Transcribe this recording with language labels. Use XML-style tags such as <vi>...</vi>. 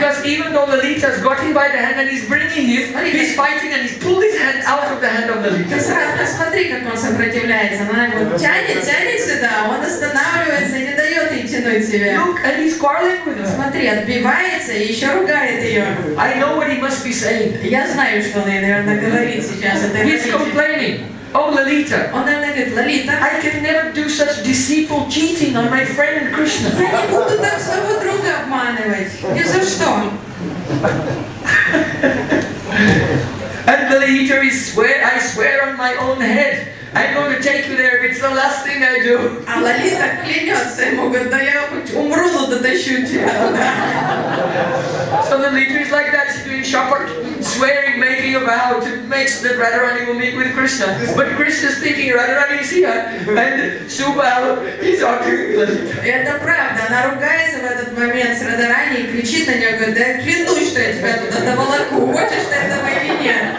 <en>Because even though Lalita has got him by the hand and he's bringing him, he's fighting and he's pulled his hand out of the hand of Lalita.</en> <ru>Посмотри, как он сопротивляется. Она его тянет сюда, он останавливается и не дает ей тянуть себя.</ru> <en>Look, and he's quarreling with her.</en> <ru>Смотри, отбивается и еще ругает ее.</ru> <en>I know what he must be saying.</en> <ru>Я знаю, что он ей, наверное, говорит сейчас.</ru> <en>He's complaining. Oh, Lalita.</en> <ru>Он говорит, Лалита,</ru> <en>I can never do such deceitful cheating on my friend Krishna.</en> <ru>Я не буду так своего друга обманывать. Ни за что.</ru> <en>And Lalita is swear, I swear on my own head. I'm going to take you there if it's the last thing I do.</en> <ru>А Лалита клянется ему, говорит, да я умру, но дотащу тебя.</ru> <en>So Lalita is like that, she's doing shopping, swearing, making a vow to make sure that Radharani will meet with Krishna. But Krishna's thinking, Radharani is here, and Subal is arguing with Lalita.</en> <ru>Это правда, она ругается в этот момент с Радарани и кричит на нее, говорит, да я клянусь, что я тебя туда доволоку, хочешь ты это моей вине?</ru>